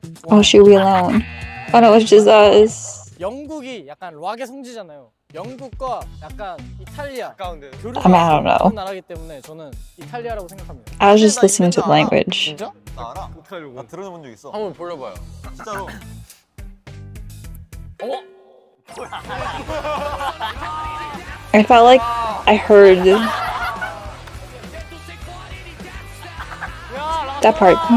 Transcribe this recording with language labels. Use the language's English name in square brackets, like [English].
[English] Oh, should we alone? Oh, no, it's just us. [Korean] 영국이 약간 락의 성지잖아요. 영국과 약간 이탈리아 가운데. [English] I mean, I don't know. [Korean] 나라기 때문에 저는 이탈리아라고 생각합니다. [English] I was just listening to the language. [Korean] 진짜? 나 알아. 이탈리아. 나 들어본 적 있어. 한번 불러봐요. 진짜로. 어? [English] I felt like I heard that part.